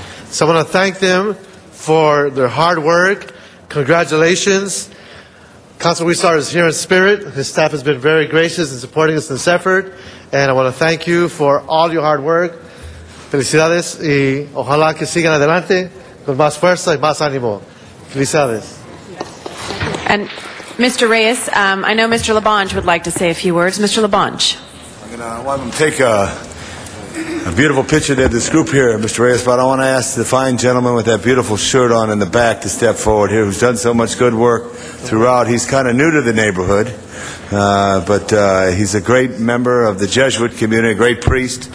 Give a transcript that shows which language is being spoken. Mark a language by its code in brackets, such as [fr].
[en] So I want to thank them for their hard work. Congratulations. Councilman Huizar is here in spirit. His staff has been very gracious in supporting us in this effort. And I want to thank you for all your hard work. [es] Felicidades y ojalá que sigan adelante con más fuerza y más ánimo. Felicidades. [en] And Mr. Reyes, I know Mr. Labonge would like to say a few words. Mr. Labonge. I'm going to have him take a beautiful picture of this group here, Mr. Reyes, but I want to ask the fine gentleman with that beautiful shirt on in the back to step forward here, who's done so much good work throughout. He's kind of new to the neighborhood, but he's a great member of the Jesuit community, a great priest.